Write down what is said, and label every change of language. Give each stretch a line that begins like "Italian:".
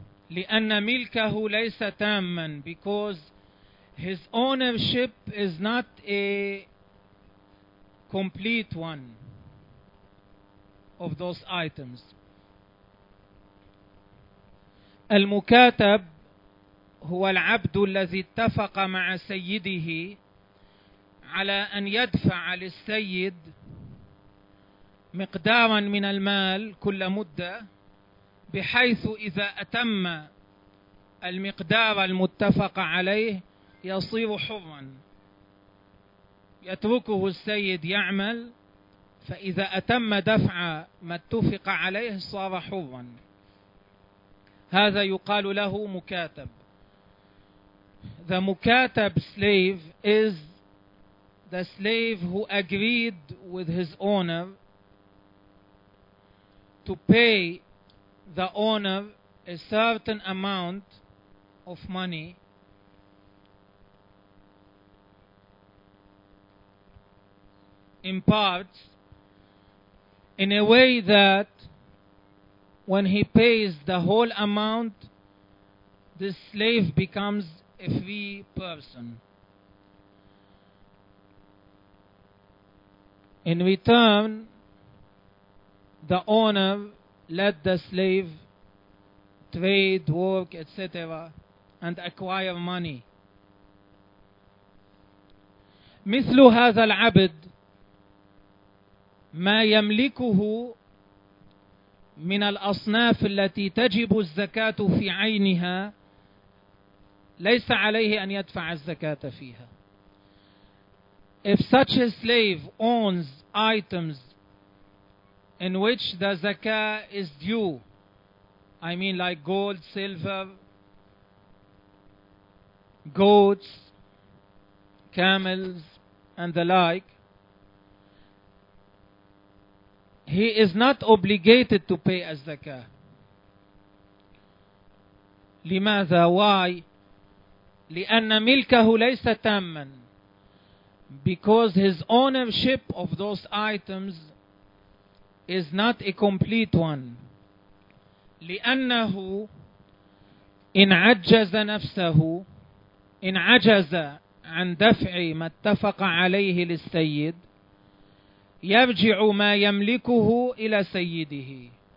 Arabic: لأن ملكه ليس تاما,
English: because his ownership is not a complete one of those items.
Arabic: المكاتب هو العبد الذي اتفق مع سيده على أن يدفع للسيد مقدارا من المال كل مدة, بحيث إذا أتم المقدار المتفق عليه يصير حرا, يتركه السيد يعمل, فإذا أتم دفع ما اتفق عليه صار حرا. هذا يقال له مكاتب.
English: The مكاتب slave is the slave who agreed with his owner to pay the owner a certain amount of money in parts in a way that when he pays the whole amount, this slave becomes a free person. In return, the owner let the slave trade, work, etc., and acquire money.
Arabic: مثل هذا العبد ما يملكه من الأصناف التي تجب الزكاة في عينها ليس عليه أن يدفع الزكاة فيها.
English: If such a slave owns items in which the zakah is due, I mean like gold, silver, goats, camels and the like, he is not obligated to pay a zakah.
Arabic: لماذا?
English: Why?
Arabic: لأن ملكه ليس تاما,
English: because his ownership of those items is not a complete one.
Arabic: لأنه إن عجز نفسه, إن عجز عن دفع ما اتفق عليه للسيد, يرجع ما يملكه إلى سيده.